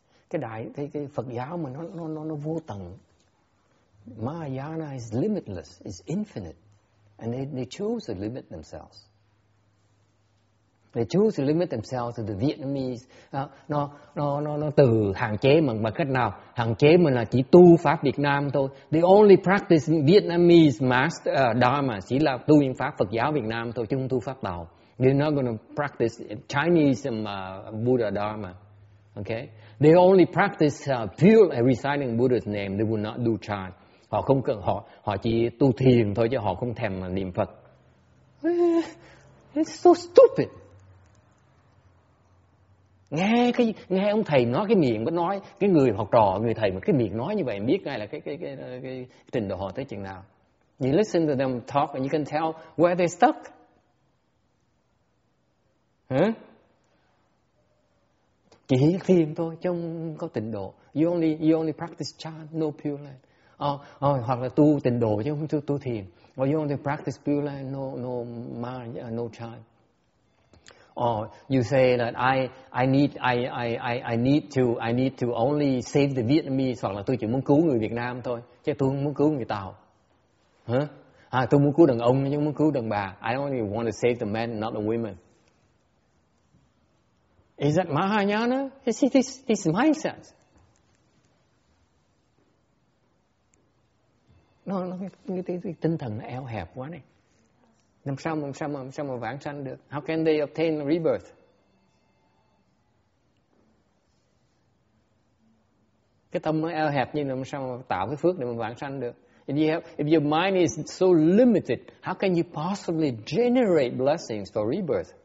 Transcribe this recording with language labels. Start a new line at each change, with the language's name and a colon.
Vietnamese: Cái đại thì cái Phật giáo mà nó vô tận.
English: Mahayana is limitless, is infinite, and they choose to limit themselves. They choose to limit themselves to the Vietnamese.
Vietnamese: No, từ hạn chế mình bằng cách nào? Hạn chế mình là chỉ tu pháp Việt Nam thôi.
English: They only practice Vietnamese master dharma,
Vietnamese: chỉ là tu những pháp Phật giáo Việt Nam thôi, chứ không tu pháp Tàu.
English: They're not going to practice Chinese Buddha dharma. Okay? They only practice pure reciting Buddha's name. They will not do chant.
Vietnamese: Họ không cần họ chỉ tu thiền thôi chứ họ không thèm niệm Phật.
English: It's so stupid.
Vietnamese: Nghe ông thầy nói cái miệng mới nói, cái người học trò người thầy mà cái miệng nói như vậy biết ngay là cái trình độ họ tới chừng nào.
English: You listen to them talk and you can tell where they're stuck.
Vietnamese: Chỉ thiền thôi chứ không có trình độ.
English: You only practice chant, no pure land.
Vietnamese: Hoặc là tu tịnh độ chứ không tu thiền.
English: Or you only practice pure land, no chant. Or you say that I need to only save the Vietnamese,
Vietnamese: hoặc là tôi chỉ muốn cứu người Việt Nam thôi chứ tôi không muốn cứu người Tàu. Hả? Tôi muốn cứu đàn ông chứ không muốn cứu đàn bà.
English: I only want to save the men, not the women. Is that Mahayana? Is it this mindset?
Vietnamese: Nó cái tinh thần nó eo hẹp quá này. Làm sao mà vãng sanh được?
English: How can they obtain rebirth?
Vietnamese: cái tâm nó eo hẹp như làm sao mà tạo cái phước để mà vãng sanh được.
English: If your mind is so limited, how can you possibly generate blessings for rebirth?